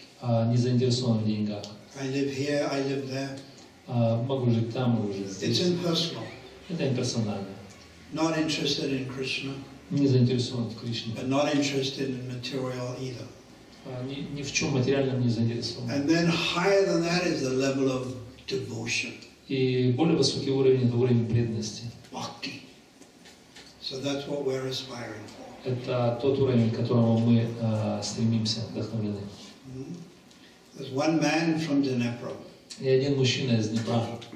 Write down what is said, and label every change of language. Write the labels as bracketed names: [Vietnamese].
[Russian] Не заинтересован в деньгах. [English] I live here. I live there. [Russian] Могу жить там, могу жить здесь. [English] It's impersonal. [Russian] Это имперсонально. [English] Not interested in Krishna. [Russian] Не заинтересован в Кришне. [English] But not interested in material either. [Russian] Ни в чем материальном не заинтересован. [English] And then higher than that is the level of devotion. [Russian] И более высокий уровень — это уровень преданности. [English] Bhakti. So that's what we're aspiring for. [Russian] Это тот уровень, к которому мы стремимся, вдохновлены. [English] There's one man from Dnipro. [Russian] И один мужчина из Днепра.